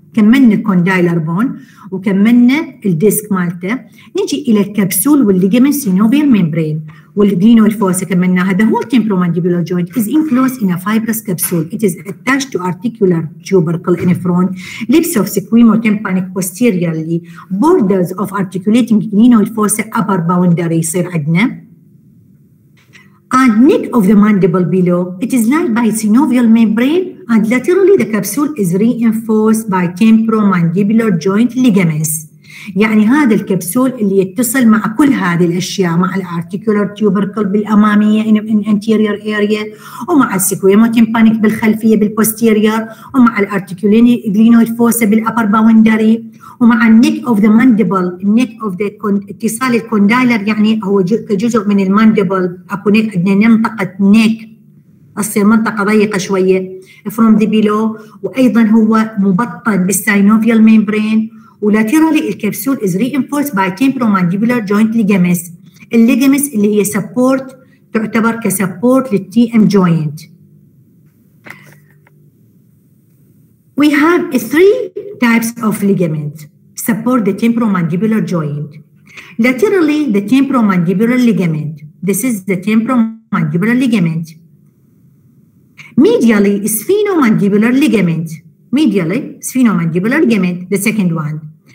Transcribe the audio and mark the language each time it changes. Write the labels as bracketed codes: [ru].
[ar] كملنا condylar bone وكملنا الديسك مالته. نجي إلى الكبسول والligaments synovial membrane. والglenoid fossa كملناها. [en] The whole temporomandibular joint is enclosed in a fibrous capsule. It is attached to articular tubercle in front, lips of squamous tympanic posteriorly, borders of articulating glenoid fossa upper boundary [ar] يصير عندنا. [en] And neck of the mandible below, it is lined by synovial membrane and laterally the capsule is reinforced by temporomandibular joint ligaments. [ar] يعني هذا الكبسول اللي يتصل مع كل هذه الأشياء مع الarticular tubercle بالأمامية [en] in anterior area [ar] ومع السكويمو تيمبانيك بالخلفية بالposterior ومع الarticulating glenoid fossa بالأبر باوندري ومع النيك of the mandible, النيك of the اتصال الكوندايلر يعني هو كجزء من الماندبل أكو نيك عندنا منطقة نيك أصير منطقة ضيقة شوية [en] from the below [ar] وأيضا هو مبطن بالsynovial membrane ولاترالي الكبسول [en] is reinforced by temporomandibular joint ligaments. [ar] الليجامس اللي هي support تعتبر كسupport للTM joint. [en] We have three types of ligament support the temporomandibular joint. Laterally, the temporomandibular ligament. This is the temporomandibular ligament. Medially, sphenomandibular ligament. Medially, sphenomandibular ligament, the second one.